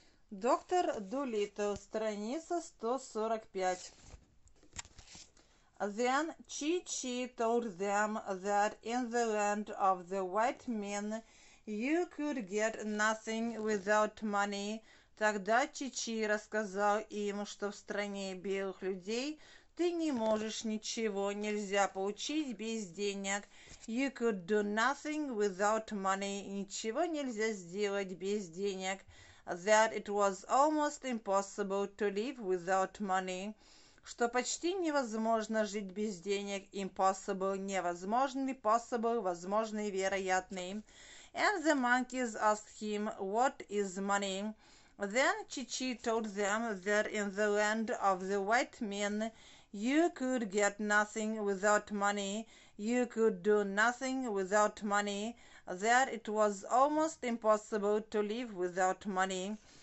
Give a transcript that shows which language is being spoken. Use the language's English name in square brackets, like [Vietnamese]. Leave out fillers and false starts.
[Russian] Доктор Дулиттл, страница 145. [English] Then Chi-Chi told them that in the land of the white men you could get nothing without money. [Russian] Тогда Чи-Чи рассказал им, что в стране белых людей ты не можешь ничего, нельзя получить без денег. [English] You could do nothing without money. [Russian] Ничего нельзя сделать без денег. [English] That it was almost impossible to live without money. [Russian] Что почти невозможно жить без денег. Impossible – невозможный, possible – возможный, вероятный. [English] And the monkeys asked him, what is money? Then Chi-Chi told them that in the land of the white men you could get nothing without money. You could do nothing without money. That it was almost impossible to live without money.